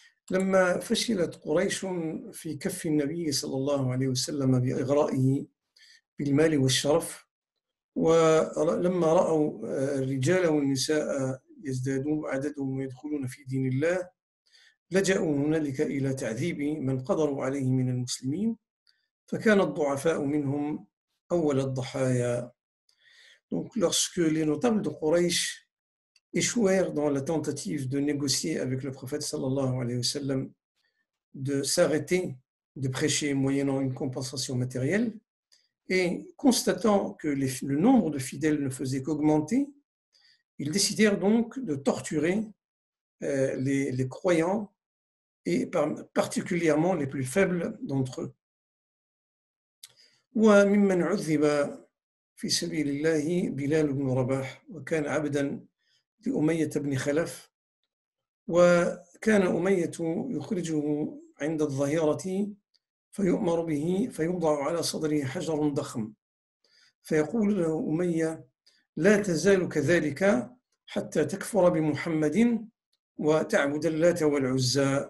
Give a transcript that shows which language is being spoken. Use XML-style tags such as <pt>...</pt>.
<ar>لما فشلت قريش في كف النبي صلى الله عليه وسلم بإغرائه بالمال والشرف، ولما رأوا الرجال والنساء يزدادون عددهم ويدخلون في دين الله، لجأوا هنالك إلى تعذيب من قدروا عليه من المسلمين، فكان الضعفاء منهم أول الضحايا.</ar> <fr>Donc lorsque les notables de Quraysh échouèrent dans la tentative de négocier avec le prophète</fr> <ar>sallallahu alayhi wa sallam</ar> <fr>de s'arrêter de prêcher moyennant une compensation matérielle, et constatant que le nombre de fidèles ne faisait qu'augmenter, ils décidèrent donc de torturer les croyants, et particulièrement les plus faibles d'entre eux.</fr> <ar>وَمِمَّنْ عُذِّبَ فِي سَبِيلِ اللَّهِ بِلَالُ بْنُ رَبَاحٍ وَكَانَ عَبْدًا لأمية بن خلف، وكان أمية يخرجه عند الظهيرة فيؤمر به فيوضع على صدره حجر ضخم، فيقول له أمية: لا تزال كذلك حتى تكفر بمحمد وتعبد اللات والعزى.</ar>